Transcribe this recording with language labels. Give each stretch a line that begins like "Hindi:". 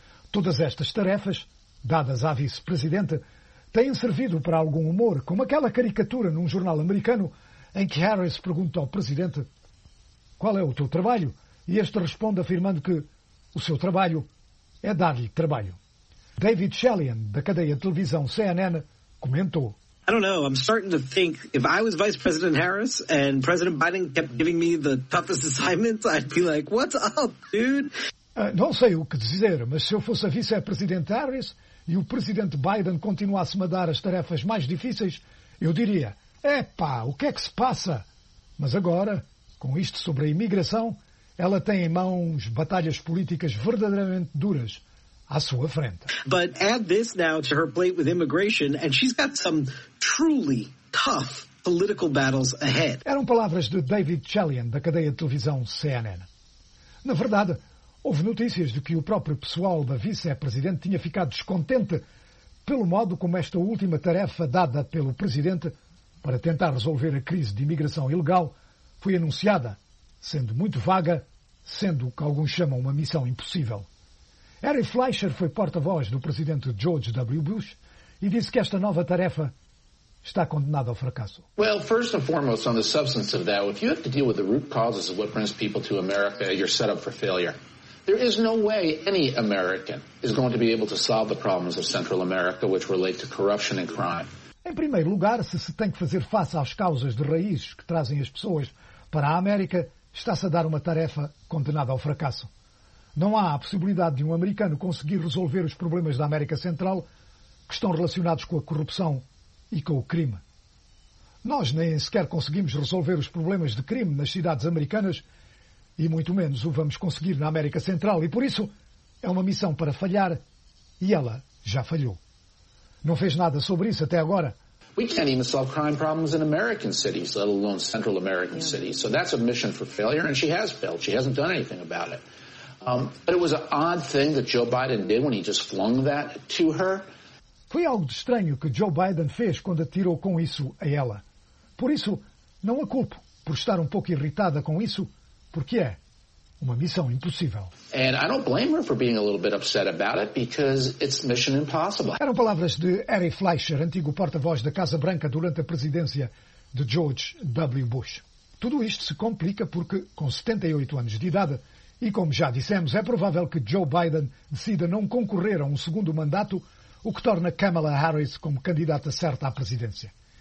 Portuguese: Todas estas tarefas, dadas à vice-presidente, têm servido para algum humor, como aquela caricatura num jornal americano em que Harris pergunta ao presidente qual é o teu trabalho, e este responde afirmando que o seu trabalho é dar-lhe trabalho. David Shellian, da cadeia de televisão CNN, comentou:
English: I don't know. I'm starting to think if I was Vice President Harris and President Biden kept giving me the toughest assignments, I'd be like, what's up, dude?
Portuguese: Não sei o que dizer, mas se eu fosse a vice-presidente Harris e o presidente Biden continuasse-me a dar as tarefas mais difíceis, eu diria, epá, o que é que se passa? Mas agora, com isto sobre a imigração, ela tem em mãos batalhas políticas verdadeiramente duras à sua frente.
English: But add this now to her plate with immigration and she's got some truly tough political battles ahead.
Portuguese: Eram palavras de David Chalian, da cadeia de televisão CNN. Na verdade, houve notícias de que o próprio pessoal da vice-presidente tinha ficado descontente pelo modo como esta última tarefa dada pelo presidente para tentar resolver a crise de imigração ilegal foi anunciada, sendo muito vaga, sendo o que alguns chamam uma missão impossível. Harry Fleischer foi porta-voz do presidente George W. Bush e disse que esta nova tarefa está condenada ao fracasso.
English: Well, first and foremost, on the substance of that, if you have to deal with the root causes of what brings people to America, you're set up for failure. There is no way any American is going to be able to solve the problems of Central America, which relate to corruption and crime.
Portuguese: Em primeiro lugar, se se tem que fazer face às causas de raiz que trazem as pessoas para a América, está-se a dar uma tarefa condenada ao fracasso. Não há a possibilidade de um americano conseguir resolver os problemas da América Central que estão relacionados com a corrupção e com o crime. Nós nem sequer conseguimos resolver os problemas de crime nas cidades americanas e muito menos o vamos conseguir na América Central e, por isso, é uma missão para falhar e ela já falhou. Não fez nada sobre isso até agora.
English: We can't even solve crime problems in American cities, let alone Central American cities. So that's a mission for failure and she has failed. She hasn't done anything about it. But it was an odd thing that Joe Biden did when he just flung that to her.
Portuguese: Foi algo de estranho que Joe Biden fez quando atirou com isso a ela. Por isso, não a culpo por estar um pouco irritada com isso, porque é uma missão impossível.
English: And I don't blame her for being a little bit upset about it because it's mission impossible.
Portuguese: Eram palavras de Harry Fleischer, antigo porta-voz da Casa Branca durante a presidência de George W. Bush. Tudo isto se complica porque, com 78 anos de idade, e como já dissemos, é provável que Joe Biden decida não concorrer a um segundo mandato, o que torna Kamala Harris como candidata certa à presidência.